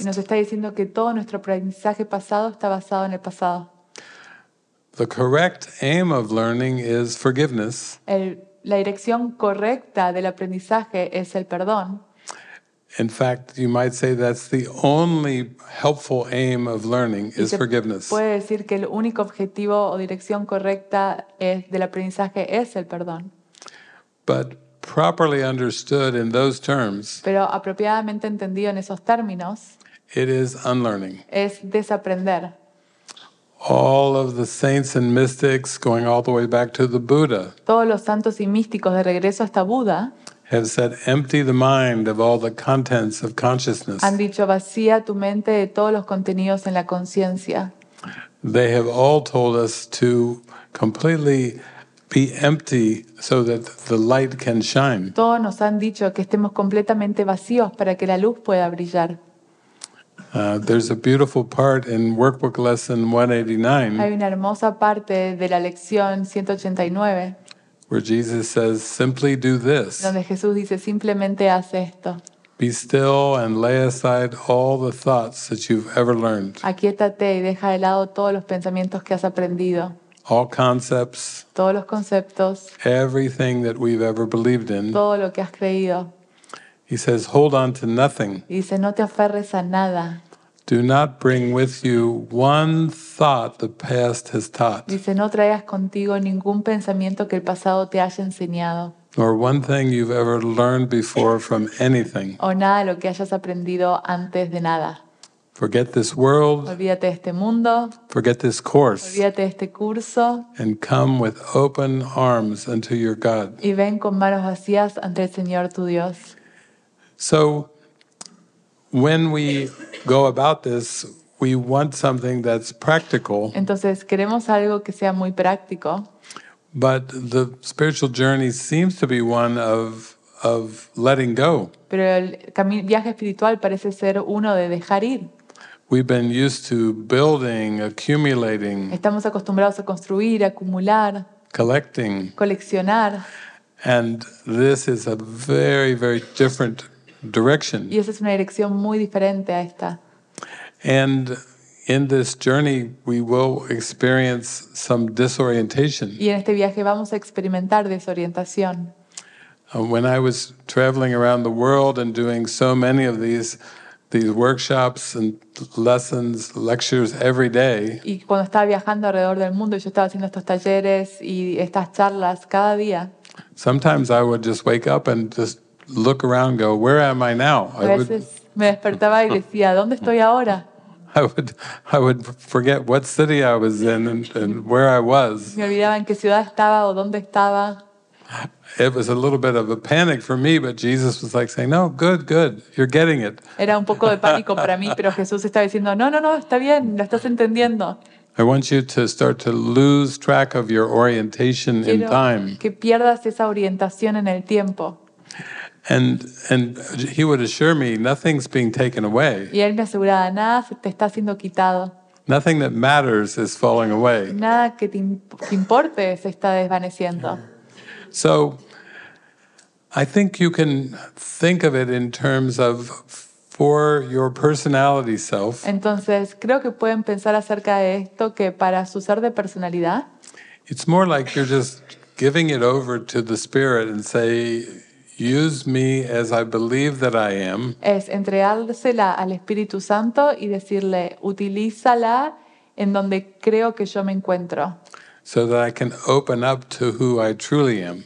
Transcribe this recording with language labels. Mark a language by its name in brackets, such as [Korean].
[Spanish] Y nos está diciendo que todo nuestro aprendizaje pasado está basado en el pasado. [English] The correct aim of learning is forgiveness. [Spanish] La dirección correcta del aprendizaje es el perdón. [English] In fact, you might say that's the only helpful aim of learning is forgiveness. [Spanish] Puede decir que el único objetivo o dirección correcta del aprendizaje es el perdón. [English] But properly understood in those terms, [Spanish] pero apropiadamente entendido en esos términos, [English] it is unlearning. [Spanish] Es desaprender. [English] All of the saints and mystics going all the way back to the Buddha. [Spanish] Todos los santos y místicos de regreso hasta Buda. [English] Have said, empty the mind of all the contents of consciousness. [Spanish] Han dicho, vacía tu mente de todos los contenidos en la conciencia. [English] They have all told us to completely be empty so that the light can shine. [Spanish] Todos nos han dicho que estemos completamente vacíos para que la luz pueda brillar. [English] There's a beautiful part in workbook lesson 189. [Spanish] Hay una hermosa parte de la lección 189. [English] Where Jesus says, simply do this. [Spanish] Donde Jesús dice, simplemente haz esto. [English] Be still and lay aside all the thoughts that you've ever learned. [Spanish] Aquiétate y deja de lado todos los pensamientos que has aprendido. [English] All concepts. [Spanish] Todos los conceptos. [English] Everything that we've ever believed in. [Spanish] Todo lo que has creído. [English] He says, hold on to nothing. [Spanish] Y dice, no te aferres a nada. [English] Do not bring with you one thought the past has taught. [Spanish] Dice, no traigas contigo ningún pensamiento que el pasado te haya enseñado. [English] Nor one thing you've ever learned before from anything. [Spanish] O nada lo que hayas aprendido antes de nada. [English] Forget this world. [Spanish] Olvídate de este mundo. [English] Forget this course. [Spanish] Olvídate de este curso. [English] And come with open arms unto your God. [Spanish] Y ven con manos vacías ante el Señor tu Dios. [English] So, when we go about this, we want something that's practical. [Spanish] Entonces, queremos algo que sea muy práctico. [English] But the spiritual journey seems to be one of letting go. [Spanish] Pero el viaje espiritual parece ser uno de dejar ir. [English] We've been used to building, accumulating. [Spanish] Estamos acostumbrados a construir, acumular. [English] Collecting. [Spanish] Coleccionar. [English] And this is a very, very different direction. [Spanish] Y esa es una dirección muy diferente a esta. [English] And in this journey, we will experience some disorientation. [Spanish] Y en este viaje vamos a experimentar desorientación. [English] When I was traveling around the world and doing so many of these workshops and lessons, lectures every day. [Spanish] Y cuando estaba viajando alrededor del mundo, yo estaba haciendo estos talleres y estas charlas cada día. [English] Sometimes I would just wake up and just look around, go, "Where am I now?" [Spanish] A veces me despertaba y decía, ¿dónde estoy ahora? [English] I would forget what city I was in and where I was. [Spanish] Me olvidaba en qué ciudad estaba o dónde estaba. [English] It was a little bit of a panic for me, but Jesus was like saying, "No, good, good, you're getting it." [Spanish] Era un poco de pánico para mí, pero Jesús estaba diciendo, "No, no, no, está bien, lo estás entendiendo." [English] I want you to start to lose track of your orientation [Spanish] Quiero [English] in time. [Spanish] Que pierdas esa orientación en el tiempo. [English] And he would assure me, nothing's being taken away. [Spanish] Y él me aseguraba, nada te está siendo quitado. [English] Nothing that matters is falling away. [Spanish] Nada que te importe se está desvaneciendo. [English] So, I think you can think of it in terms of for your personality self. [Spanish] Entonces, creo que pueden pensar acerca de esto que para su ser de personalidad. [English] It's more like you're just giving it over to the spirit and say, "Use me as I believe that I am." [Spanish] Es entregársela al Espíritu Santo y decirle, "Utilízala en donde creo que yo me encuentro." [English] So that I can open up to who I truly am.